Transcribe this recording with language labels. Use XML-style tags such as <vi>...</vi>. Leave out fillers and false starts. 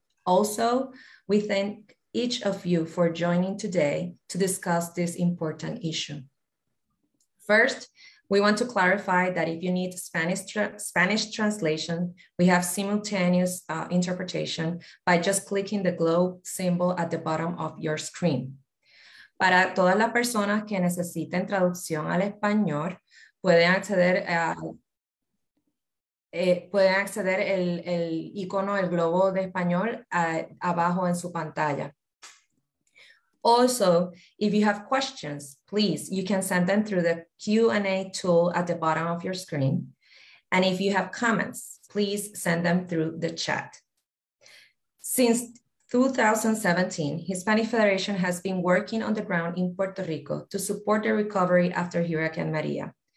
<en>Also, we thank each of you for joining today to discuss this important issue. First, we want to clarify that if you need Spanish translation, we have simultaneous interpretation by just clicking the globe symbol at the bottom of your screen.</en> <es>Para todas las personas que necesiten traducción al español, pueden acceder el icono, el globo de español abajo en su pantalla.</es> <en>Also, if you have questions, please, you can send them through the Q&A tool at the bottom of your screen. And if you have comments, please send them through the chat. Since 2017, Hispanic Federation has been working on the ground in Puerto Rico to support the recovery after Hurricane Maria.</en>